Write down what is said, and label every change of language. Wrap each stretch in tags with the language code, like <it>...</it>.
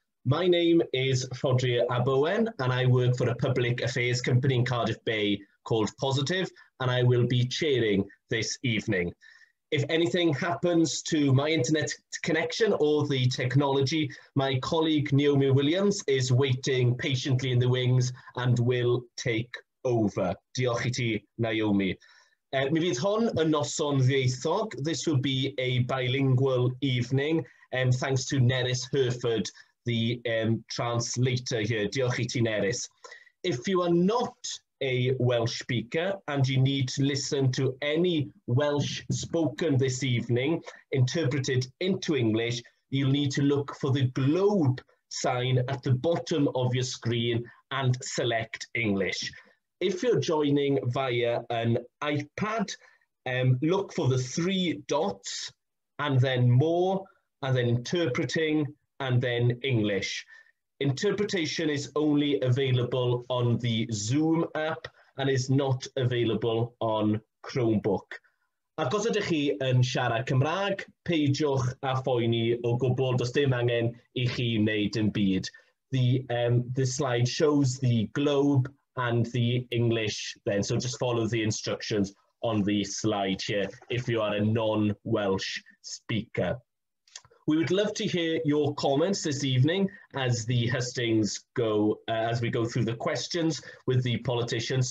<en>My name is Rhodri ab Owen and I work for a public affairs company in Cardiff Bay called Positif and I will be chairing this evening. If anything happens to my internet connection or the technology, my colleague Naomi Williams is waiting patiently in the wings and will take over.</en> <cy>Diolch I ti, Naomi. Mi fydd hon yn noson ddieithog.</cy> <en>This will be a bilingual evening, and thanks to Neris Hereford, the translator here.</en> <cy>Diolch I ti, Neris.</cy> <en>If you are not a Welsh speaker and you need to listen to any Welsh spoken this evening interpreted into English, you'll need to look for the globe sign at the bottom of your screen and select English. If you're joining via an iPad, look for the three dots and then more and then interpreting and then English. Interpretation is only available on the Zoom app and is not available on Chromebook.</en> <cy>Ac os ydych chi yn siarad Cymraeg, peidiwch a phoeni o gwbl, does dim angen I chi wneud yn byd.</cy> <en>The slide shows the globe and the English then, so just follow the instructions on the slide here if you are a non-Welsh speaker. We would love to hear your comments this evening as the hustings go, as we go through the questions with the politicians.</en>